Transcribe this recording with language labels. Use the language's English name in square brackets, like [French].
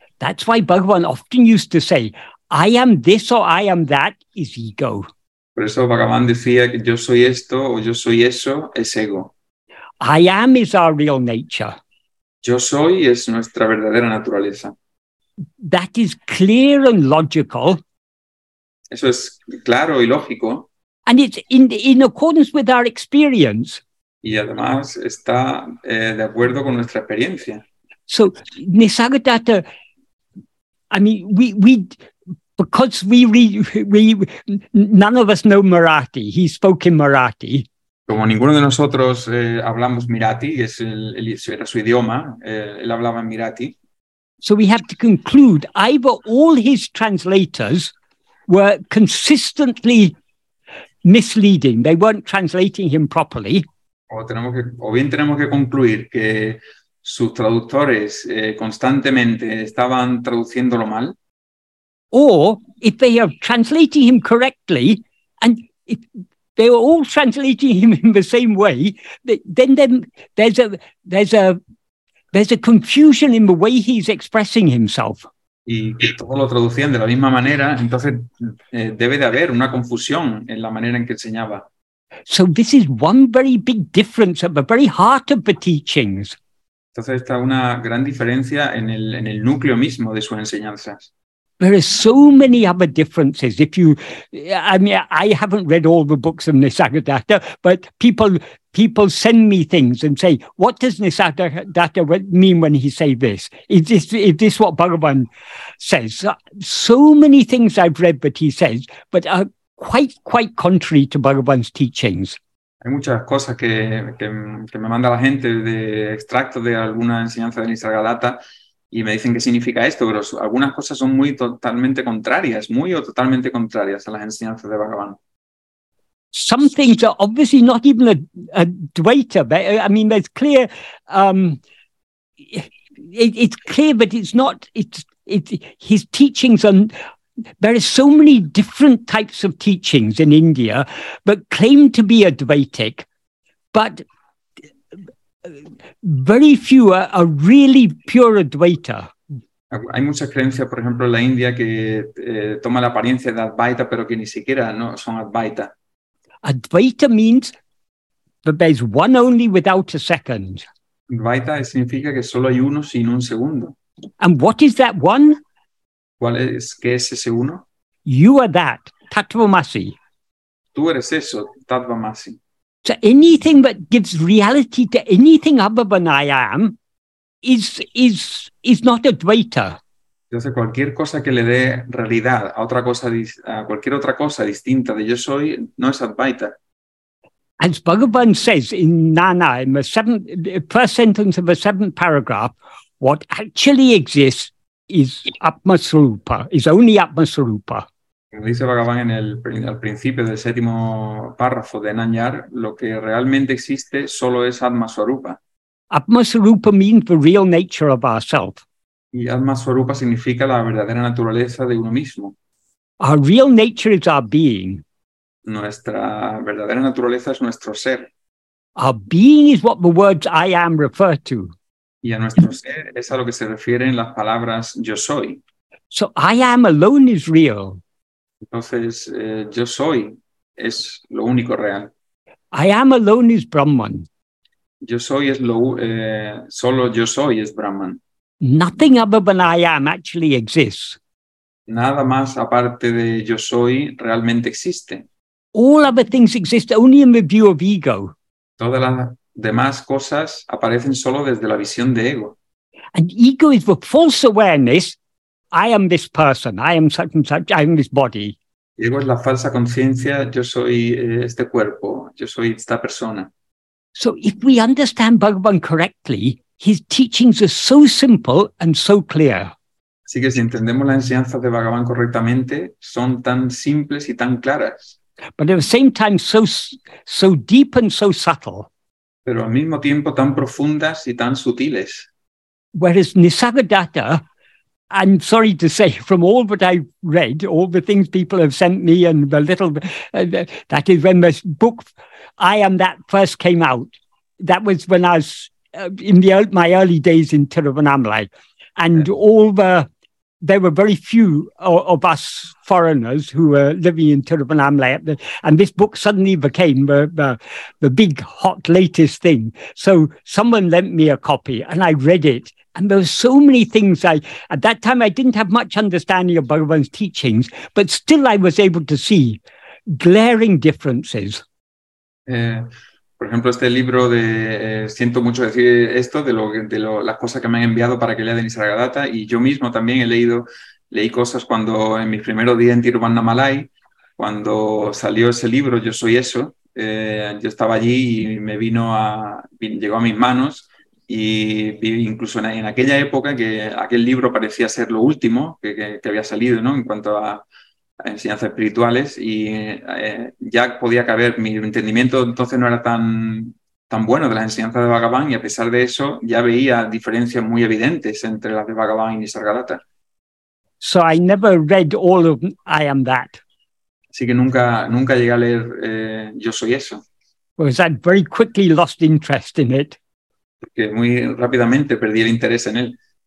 [English] That's why Bhagavan often used to say, I am this or I am that is ego. [Spanish] Por eso Bhagavan decía que yo soy esto o yo soy eso es ego. [English] I am is our real nature. [Spanish] Yo soy es nuestra verdadera naturaleza. [English] That is clear and logical. [Spanish] Eso es claro y lógico. [English] And it's in accordance with our experience. [Spanish] Y además está de acuerdo con nuestra experiencia. [English] So Nisargadatta, I mean, because none of us know Marathi. He spoke in Marathi. [Spanish] Como ninguno de nosotros hablamos Marathi, es el era su idioma. Él hablaba en Marathi. [English] So we have to conclude either all his translators were consistently misleading. They weren't translating him properly. [Spanish] O bien tenemos que concluir que sus traductores constantemente estaban traduciéndolo mal. [English] Or if they are translating him correctly, and if they were all translating him in the same way, then there's a confusion in the way he's expressing himself. [Spanish] Y que todo lo traducían de la misma manera, entonces debe de haber una confusión en la manera en que enseñaba. [English] So this is one very big difference at the very heart of the teachings. [Spanish] Entonces está una gran diferencia en el núcleo mismo de sus enseñanzas. [English] There are so many other differences. If you, I mean, I haven't read all the books of Nisargadatta, but people send me things and say, what does Nisargadatta mean when he say this? Is this what Bhagavan says? So many things I've read that he says, but are quite contrary to Bhagavan's teachings. [Spanish] Hay muchas cosas que me manda la gente de extracto de alguna enseñanza de Nisargadatta. Y me dicen qué significa esto, pero algunas cosas son muy totalmente contrarias, muy o totalmente contrarias a las enseñanzas de Bhagavan. [English] Some things are obviously not even a Dvaita. But, I mean, it's clear. It's clear, but it's not. It's his teachings, and there are so many different types of teachings in India, but claim to be a Dvaitic, but very few are really pure Advaita. [Spanish] Hay muchas creencias, por ejemplo, en la India que toma la apariencia de Advaita, pero que ni siquiera no son Advaita. [English] Advaita means that there is one only without a second. [Spanish] Advaita significa que solo hay uno sin un segundo. [English] And what is that one? [Spanish] ¿Qué es ese uno? [English] You are that, Tattvamasi. [Spanish] Tú eres eso, Tattvamasi. [English] So anything that gives reality to anything other than I am is not a Dvaita. [Spanish] Entonces cualquier cosa que le dé realidad a otra cosa, a cualquier otra cosa distinta de yo soy, no es Advaita. [English] As Bhagavan says in Nana, in the first sentence of the seventh paragraph, what actually exists is Atmasvarupa, is only Atmasvarupa. [Spanish] Como dice Bhagavan en al principio del séptimo párrafo de Nanyar, lo que realmente existe solo es Atmasvarupa. [English] Atmasvarupa means the real nature of ourself. [Spanish] Y Atmasvarupa significa la verdadera naturaleza de uno mismo. [English] Our real nature is our being. [Spanish] Nuestra verdadera naturaleza es nuestro ser. [English] Our being is what the words I am refer to. [Spanish] Y a nuestro ser es a lo que se refieren las palabras yo soy. [English] So I am alone is real. [Spanish] Entonces, yo soy es lo único real. [English] I am alone is Brahman. [Spanish] Yo soy es lo solo yo soy es Brahman. [English] Nothing other than I am actually exists. [Spanish] Nada más aparte de yo soy realmente existe. [English] All other things exist only in the view of ego. [Spanish] Todas las demás cosas aparecen solo desde la visión de ego. [English] And ego is the false awareness. I am this person, I am such and such, I am this body. [Spanish] Ego es la falsa conciencia, yo soy este cuerpo, yo soy esta persona. [English] So if we understand Bhagavan correctly, his teachings are so simple and so clear. [Spanish] Así que si entendemos las enseñanzas de Bhagavan correctamente, son tan simples y tan claras. [English] But at the same time, so deep and so subtle. [Spanish] Pero al mismo tiempo tan profundas y tan sutiles. [English] Whereas Nisargadatta, I'm sorry to say, from all that I've read, all the things people have sent me and the little, that is when this book, I Am That, first came out. That was when I was my early days in Tiruvannamalai. And there were very few of us foreigners who were living in Tiruvannamalai. And this book suddenly became the big, hot, latest thing. So someone lent me a copy and I read it. And there were so many things at that time I didn't have much understanding of Bhagavan's teachings, but still I was able to see glaring differences. [Spanish] Por ejemplo, este libro de siento mucho decir esto de las cosas que me han enviado para que lea de Nisargadatta, y yo mismo también leí cosas cuando en mis primeros días en Tiruvannamalai, cuando salió ese libro Yo Soy Eso, yo estaba allí y me llegó a mis manos. Y incluso en aquella época que aquel libro parecía ser lo último que había salido, ¿no? En cuanto enseñanzas espirituales y ya podía caber, mi entendimiento entonces no era tan bueno de las enseñanzas de Bhagaván y a pesar de eso ya veía diferencias muy evidentes entre las de Bhagaván y Nisargadatta. [English] So I never read all of I Am That. [Spanish] Así que nunca llegué a leer Yo Soy Eso. [English] Because I very quickly lost interest in it. [Spanish] Porque muy rápidamente perdí el interés en él.